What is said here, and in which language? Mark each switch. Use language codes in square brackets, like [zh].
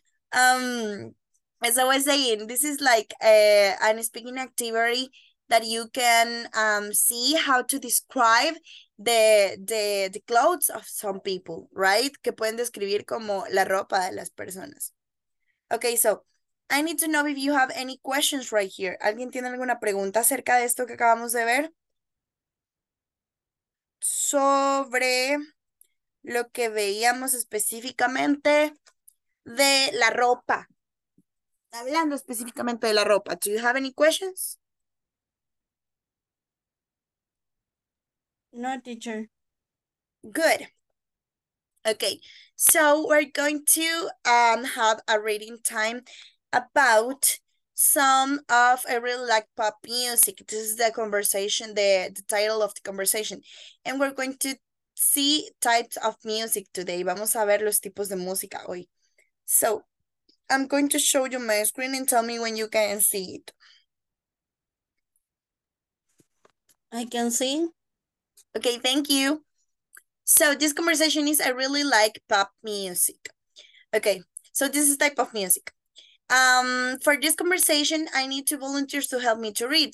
[en] As I was saying, this is like an speaking activity that you can see how to describe the clothes of some people, right? [es] Que pueden describir como la ropa de las personas. [en] Okay, so I need to know if you have any questions right here. [es] ¿Alguien tiene alguna pregunta acerca de esto que acabamos de ver? Sobre lo que veíamos específicamente de la ropa. Hablando específicamente de la ropa. [en] Do you have any questions? No, teacher. Good. Okay. So we're going to have a reading time about some of a really like pop music. This is the conversation, the title of the conversation. And we're going to see types of music today. [es] Vamos a ver los tipos de música hoy. [en] So I'm going to show you my screen and tell me when you can see it. I can see. Okay, thank you. So this conversation is I really like pop music. Okay, so this is type of music. For this conversation, I need two volunteers to help me to read.